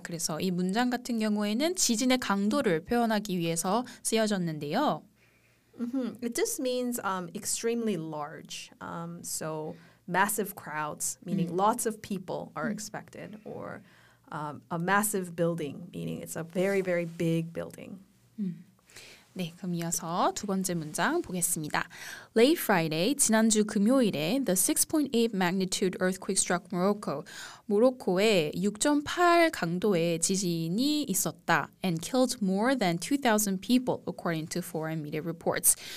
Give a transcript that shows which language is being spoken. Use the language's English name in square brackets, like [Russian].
[Korean] 그래서 이 문장 같은 경우에는 지진의 강도를 표현하기 위해서 쓰여졌는데요. [English] Mm-hmm. It just means extremely large. So massive crowds, meaning lots of people are expected, or a massive building, meaning it's a very, very big building. [Korean] 네, 그럼 이어서 두 번째 문장 보겠습니다. [English] Late Friday, [Korean] 지난주 금요일에 [English] the 6.8 magnitude earthquake struck Morocco. [Korean] 모로코에 6.8 강도의 지진이 있었다 [English] and killed more than 2,000 people, according to foreign media reports.